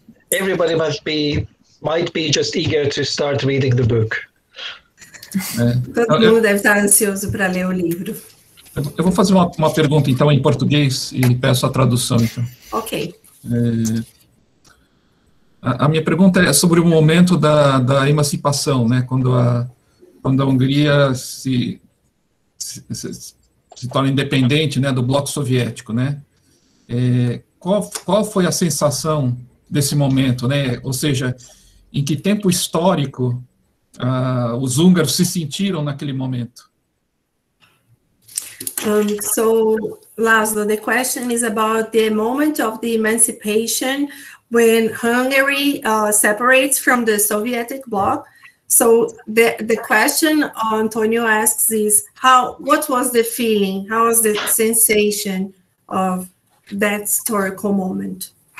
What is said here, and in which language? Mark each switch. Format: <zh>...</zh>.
<en>Everybody might be just eager to start reading the book.</en> <pt>Todo mundo deve estar ansioso para ler o livro. Eu vou fazer uma pergunta então em português e peço a tradução então. Ok. A minha pergunta é sobre o momento da emancipação, né? Quando a Hungria se torna independente, né, do bloco soviético, né? Qual foi a sensação desse momento, né? Ou seja, em que tempo histórico os húngaros se sentiram naquele momento?</pt> <en>So, László, the question is about the moment of the emancipation when Hungary separates from the Soviet bloc. So the question Antonio asks is, what was the feeling, how was the sensation of that historical moment?</en>